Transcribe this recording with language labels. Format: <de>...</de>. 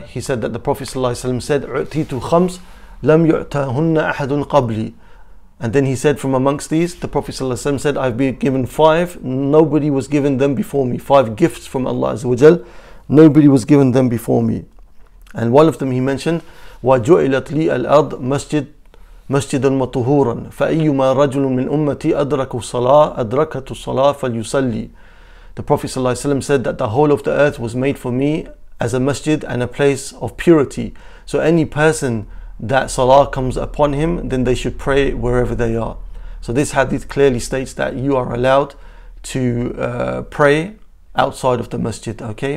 <en>He said that the Prophet ﷺ said,</en> <ar>"U'titu khams lam yu'tahunna ahadun qabli."</ar> <en>And then he said, from amongst these, the Prophet ﷺ said, "I've been given five, nobody was given them before me." Five gifts from Allah Azza wa Jal, nobody was given them before me. And one of them he mentioned,</en> <ar>وَجُعِلَتْ لِي الْأَرْضِ مَسْجِدًا مَطُهُورًا فَأَيُّمَا رَجُلٌ مِّنْ أُمَّتِي أَدْرَكُ الصَّلَاةَ أَدْرَكَتُ الصَّلَاةَ فَلْيُسَلِّي.</ar> <en>The Prophet ﷺ said that the whole of the earth was made for me as a masjid and a place of purity. So any person that salah comes upon him, then they should pray wherever they are. So this hadith clearly states that you are allowed to pray outside of the masjid, okay?</en>